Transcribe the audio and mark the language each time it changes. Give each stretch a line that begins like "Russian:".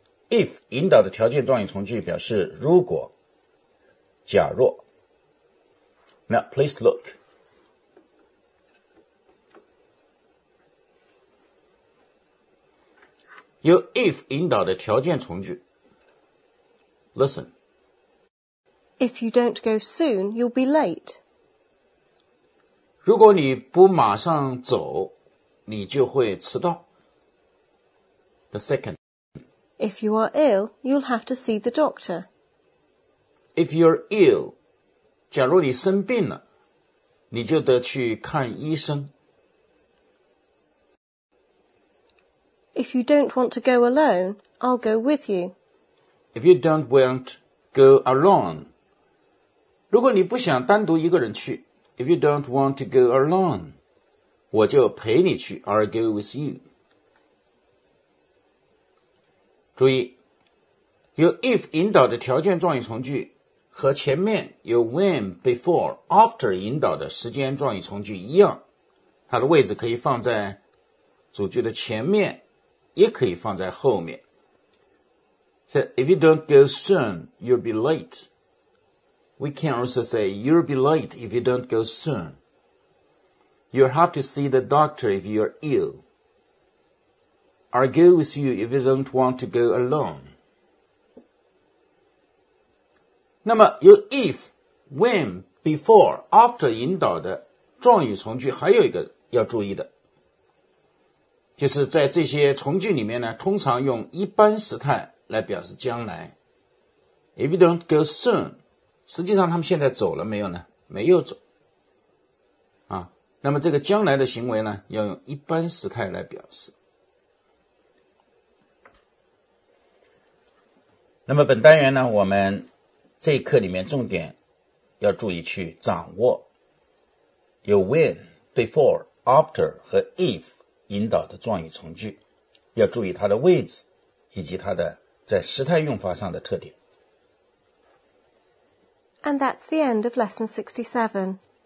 Chinese: if 引导的条件状语从句表示如果、假若。
English: Now, please look.
Chinese: 由 if 引导的条件从句。
English: Listen. If you don't go soon, you'll be late.
Chinese: 如果你不马上走，你就会迟到。
English: The second. If you are ill, you'll have to see the doctor. If you're ill,
Chinese: 假如你生病了，你就得去看医生。
English: If you don't want to go alone, I'll go with you. If you don't want to go alone,
Chinese: 如果你不想单独一个人去
English: ,if you don't want to go alone,
Chinese: 我就陪你去
English: ,I'll go with you.
Chinese: 注意,有 if 引导的条件状语从句和前面有 when, before, after 引导的时间状语从句一样,它的位置可以放在主句的前面也可以放在后面。
English: So, if you don't go soon, you'll be late. We can also say, you'll be late if you don't go soon. You'll have to see the doctor if you're ill. I'll go with you if you don't want to go alone.
Chinese: 那么有 if, when, before, after 引导的状语从句还有一个要注意的。就是在这些从句里面呢通常用一般时态来表示将来
English: If you don't go soon
Chinese: 实际上他们现在走了没有呢没有走啊，那么这个将来的行为呢要用一般时态来表示那么本单元呢我们这一课里面重点要注意去掌握有 when, before, after 和 if引导的状语从句要注意它的位置以及它的在时态用法上的特点
English: And that's the end of lesson 67